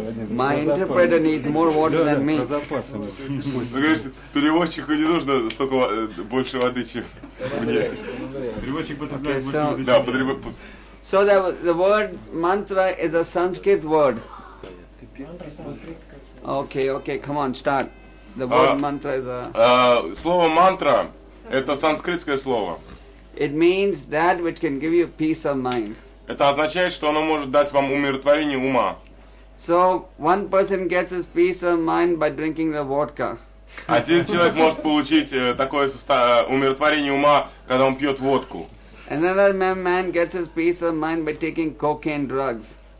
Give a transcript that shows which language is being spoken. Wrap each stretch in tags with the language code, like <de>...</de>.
<en>My interpreter needs more water than me.</en> <ru>Конечно, переводчику не нужно столько больше воды, чем мне. Переводчик потребляет больше воды.</ru> <en>So the word mantra is a Sanskrit word. Okay, come on, start. The word mantra is a.</en> <ru>Слово мантра это санскритское слово.</ru> <en>It means that which can give you peace of mind.</en> <ru>Это означает, что оно может дать вам умиротворение ума.</ru> <en>So one person gets his peace of mind by drinking the vodka.</en> <ru>Один человек может получить такое умиротворение ума, когда он пьет водку.</ru> <en>Another man gets his peace of mind by taking cocaine drugs.</en>